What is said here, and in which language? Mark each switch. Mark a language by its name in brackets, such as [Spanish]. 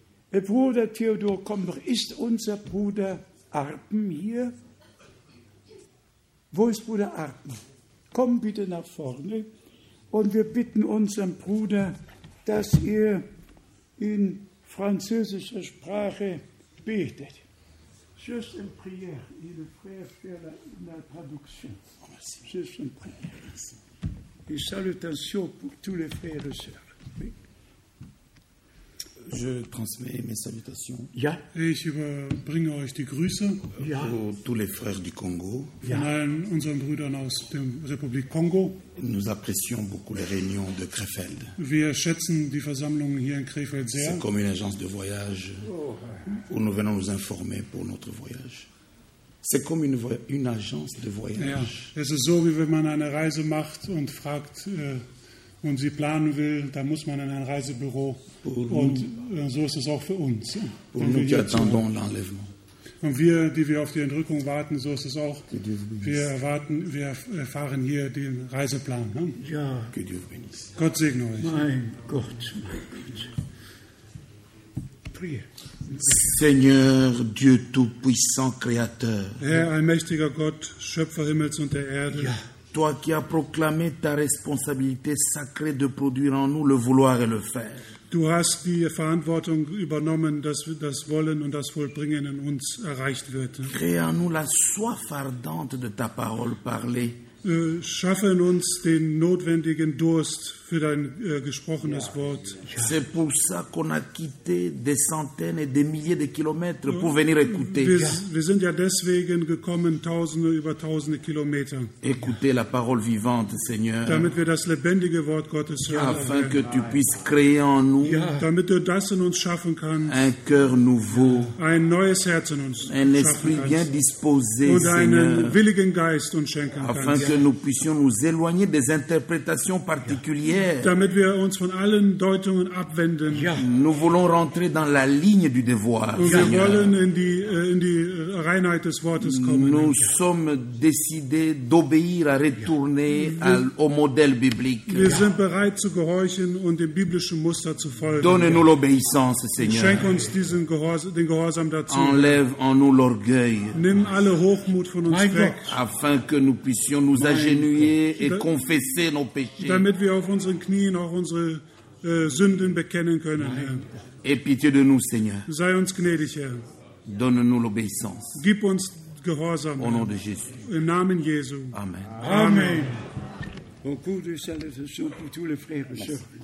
[German] Bruder Theodor, komm doch, ist unser Bruder Arpen hier? Wo ist Bruder Arpen? Komm bitte nach vorne und wir bitten unseren Bruder, dass er in französischer Sprache betet. [French] Juste une prière, et le frère fait la traduction. Juste une prière. Une salutation pour tous les frères et sœurs. Oui. Je transmets mes salutations. [German] Ja. Ich überbringe euch die Grüße. Ja. [French] Pour tous les frères du Congo. [German] Ja. Von allen unseren Brüdern aus der Republik Kongo. [French] Nous apprécions beaucoup les réunions de Krefeld. [German] Wir schätzen die Versammlungen hier in Krefeld sehr. [French] C'est comme une agence de voyage où nous venons nous informer pour notre voyage. C'est comme une agence de voyage. [German] Ja. Es ist so, wie wenn man eine Reise macht und fragt, und sie planen will, da muss man in ein Reisebüro. Und so ist es auch für uns. Und wir, die wir auf die Entrückung warten, so ist es auch. Wir erfahren hier den Reiseplan. Ne? Ja. Gott segne euch. Mein Gott. [French] Priez. Seigneur Dieu tout-puissant, Créateur. [German] Herr allmächtiger Gott, Schöpfer Himmels und der Erde. Ja. [French] Toi qui as proclamé ta responsabilité sacrée de produire en nous le vouloir et le faire. [German] Du hast die Verantwortung übernommen, dass das Wollen und das Vollbringen in uns erreicht wird. [French] Crée en nous la soif ardente de ta parole parlée. [German] Schaffe in uns den notwendigen Durst für dein gesprochenes Wort. [French] C'est pour ça qu'on a quitté des centaines et des milliers de kilomètres pour venir écouter. [German] Wir sind ja deswegen gekommen, tausende über tausende Kilometer. [French] Écouter la parole vivante, Seigneur. [German] Damit wir das lebendige Wort Gottes hören. [French] Afin que tu puisses créer en nous. [German] Damit du das in uns schaffen kannst. [French] Un cœur nouveau. [German] Ein neues Herz in uns. [French] Un esprit bien disposé, Seigneur. [German] Und einen willigen Geist uns schenken kannst. [French] Que nous puissions nous éloigner des interprétations particulières. [German] Damit wir uns von allen Deutungen abwenden. [French] Nous voulons rentrer dans la ligne du devoir. [German] Wir wollen in die Reinheit des Wortes kommen. [French] Nous sommes décidés d'obéir à retourner au modèle biblique. [German] Wir sind bereit zu gehorchen und dem biblischen Muster zu folgen. [French] Donne-nous l'obéissance, Seigneur. [German] Schenk uns diesen Gehorsam dazu. [French] Enlève en nous l'orgueil. [German] Nimm alle Hochmut von uns weg. [French] Afin que nous puissions nous uns agenouiller et confesser nos péchés. [German] Damit wir auf unseren Knien auch unsere Sünden bekennen können, Herr. [French] Aie pitié de nous, Seigneur. [German] Sei uns gnädig, Herr. [French] Donne-nous l'obéissance. [German] Gib uns Gehorsam, Herr. [French] Au nom de Jésus. [German] Im Namen Jesu. Amen. Amen. [French] Beaucoup de salutations pour tous les frères et sœurs.